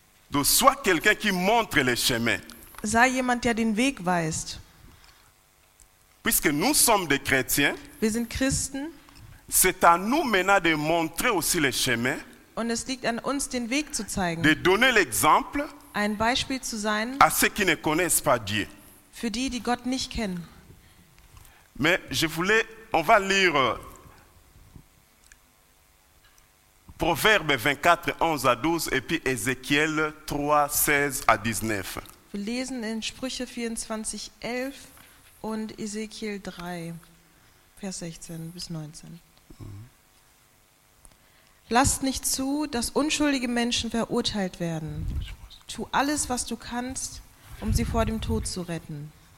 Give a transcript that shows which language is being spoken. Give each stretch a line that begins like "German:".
French: Du sois quelqu'un qui montre les chemins.
German: Sei jemand, der den Weg weist.
French: Puisque nous sommes des chrétiens,
German: wir sind Christen.
French: C'est à nous maintenant de montrer aussi les chemins.
German: Und es liegt an uns, den Weg zu zeigen.
French: De donner l'exemple.
German: Ein Beispiel zu sein.
French: À ceux qui ne connaissent pas Dieu.
German: Für die, die Gott nicht kennen.
French: Mais je voulais, on va lire Proverbe 24, 11 à 12 et puis Ézéchiel 3, 16 à 19.
German: Wir lesen in Sprüche 24, 11 und Ézéchiel 3, Vers 16 bis 19. Lasst nicht zu, dass unschuldige Menschen verurteilt werden. Tu alles, was du kannst, um sie vor dem Tod zu retten.